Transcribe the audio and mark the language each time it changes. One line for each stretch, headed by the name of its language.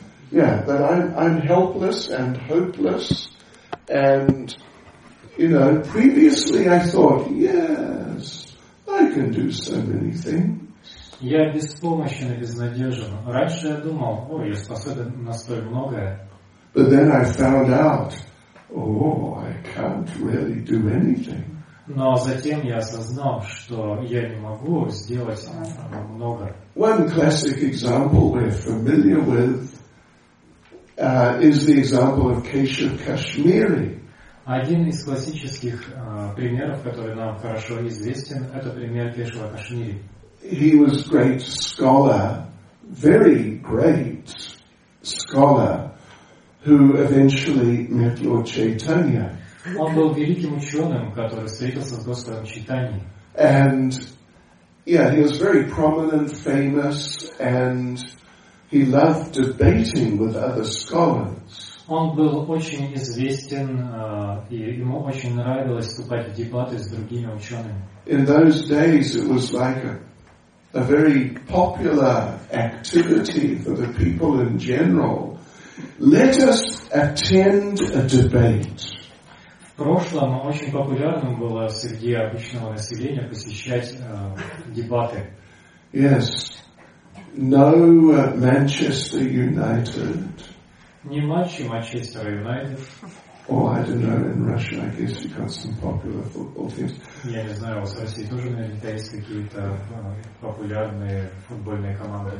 English: Yeah, that I'm helpless and hopeless, and you know, previously I thought, yes. I can do so many things.
Russian: Я беспомощен и безнадежен. Раньше я думал, о, я способен на столь многое.
English: But then I found out, oh, I can't really do anything.
Russian: Но затем я осознал, что я не могу сделать много.
English: One classic example we're familiar with is the example of Keshav Kashmiri.
Russian: Один из классических примеров, который нам хорошо известен, это пример Кешава Кашмири.
English: He was great scholar, very great scholar, who eventually met Lord Chaitanya.
Russian: Он был великим ученым, который встретился с Господом Чайтаньей.
English: And yeah, he was very prominent, famous, and he loved debating with other scholars.
Russian: Он был очень известен, и ему очень нравилось вступать в дебаты с другими учеными.
English: In those days it was like a very popular activity for the people in general. Let us attend a debate.
Russian: В прошлом очень популярным было среди обычного населения посещать дебаты.
English: Yes. No Manchester United.
Russian: Не матчи Манчестера Юнайтед.
English: Oh, I don't know. In Russia, I guess you got some popular football teams.
Russian: Я не знаю, у вас в России тоже наверняка есть какие-то популярные футбольные команды.